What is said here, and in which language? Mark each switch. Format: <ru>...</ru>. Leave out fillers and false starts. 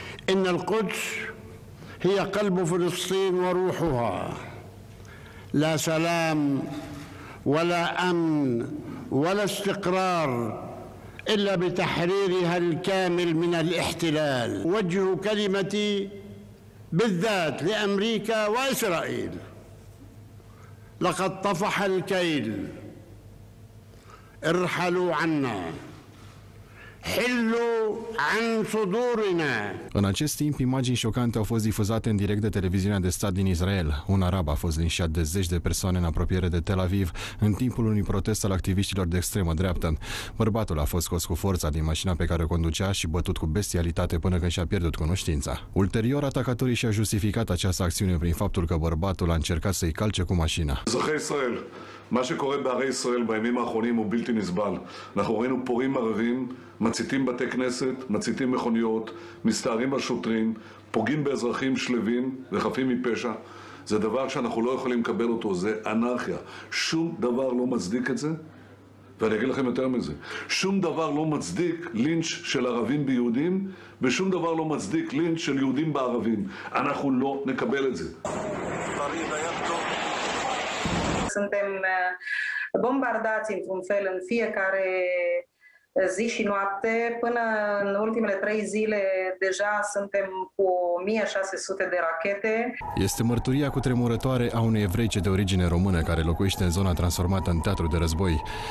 <ar>إن القدس هي قلب فلسطين وروحها لا سلام ولا أمن ولا استقرار إلا بتحريرها الكامل من الاحتلال وجه كلمتي بالذات لأمريكا وإسرائيل لقد طفح الكيل ارحلوا عنا حلوا عن صدورنا.</ar> <ro>În acest timp, imagini șocante au fost difuzate în direct de televiziunea de stat din Israel. Un arab a fost linșat de zeci de persoane în apropiere de Tel Aviv în timpul unui protest al activiștilor de extremă dreaptă. Bărbatul a fost scos cu forța din mașina pe care o conducea și bătut cu bestialitate până când și-a pierdut cunoștința. Ulterior, atacatorii și-au justificat această acțiune prin faptul că bărbatul a încercat să-i calce cu mașina.</ro> <he>מה שקורה בערי ישראל בימים האחרונים הוא בלתי נסבל. אנחנו ראינו פורים ערבים, מציתים בתי כנסת, מציתים מכוניות, מסתערים בשוטרים, פוגעים באזרחים שלווים וחפים מפשע. זה דבר שאנחנו לא יכולים לקבל אותו, זה אנרכיה. שום דבר לא מצדיק את זה. ואני אגיד לכם יותר מזה. שום דבר לא מצדיק לינץ' של ערבים ביהודים, ושום דבר לא מצדיק לינץ' של יהודים בערבים. אנחנו לא נקבל את זה.</he> <ro>Suntem bombardați într-un fel în fiecare zi și noapte. Până în ultimele 3 zile deja suntem cu 1600 de rachete. Este mărturia cutremurătoare a unei evreice de origine română care locuiește în zona transformată în teatru de război.</ro>